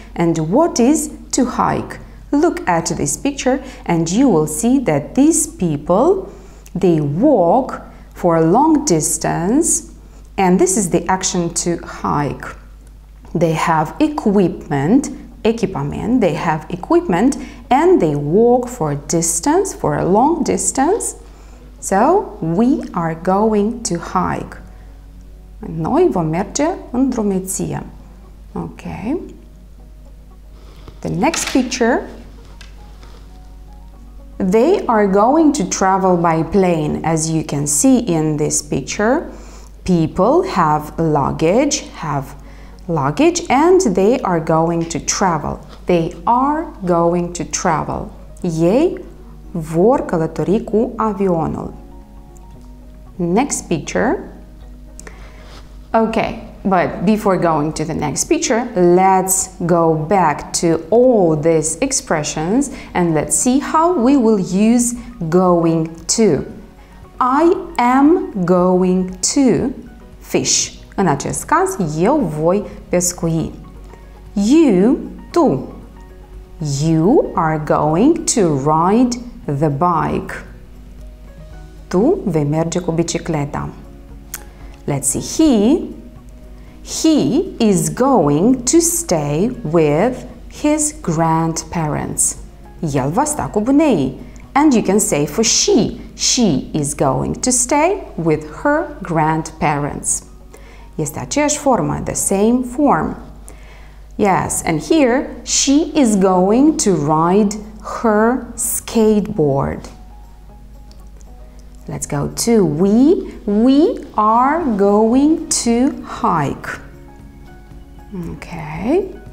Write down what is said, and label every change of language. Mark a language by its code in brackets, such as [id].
[en] And what is to hike? Look at this picture and you will see that these people, they walk for a long distance. And this is the action to hike. They have equipment. They have equipment and they walk for a distance, for a long distance. So we are going to hike. [ro] Noi vom merge în drumeție. [en] Okay. The next picture. They are going to travel by plane. As you can see in this picture, people have luggage, and they are going to travel. They are going to travel. [ro] Ei vor călători cu avionul. [en] Next picture. Okay, but before going to the next picture, let's go back to all these expressions and let's see how we will use going to. I am going to fish. [ro] În acest caz, eu voi pescui. [en] You are going to ride the bike. [ro] Tu vei merge cu bicicleta. [en] Let's see. He is going to stay with his grandparents. [ro] El va sta cu bunei. [en] And you can say for she. She is going to stay with her grandparents. [ro] Este aceeași formă, [en] the same form. Yes, and here, she is going to ride her skateboard. Let's go to we. We are going to hike. Okay.